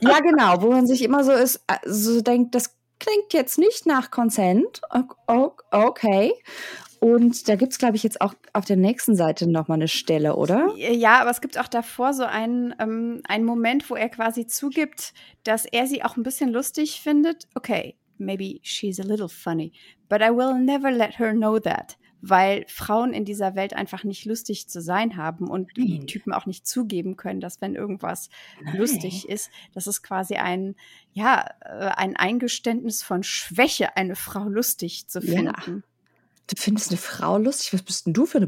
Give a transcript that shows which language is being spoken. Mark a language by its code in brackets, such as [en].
[de] Ja, genau, wo man sich immer so ist, so denkt, das klingt jetzt nicht nach Consent. Okay. Und da gibt es, glaube ich, jetzt auch auf der nächsten Seite nochmal eine Stelle, oder? Ja, aber es gibt auch davor so einen Moment, wo er quasi zugibt, dass er sie auch ein bisschen lustig findet. [en] Okay, maybe she's a little funny, but I will never let her know that. [de] Weil Frauen in dieser Welt einfach nicht lustig zu sein haben und die Typen auch nicht zugeben können, dass wenn irgendwas lustig ist, dass es quasi ein Eingeständnis von Schwäche, eine Frau lustig zu finden. Ja. Du findest eine Frau lustig? Was bist denn du für eine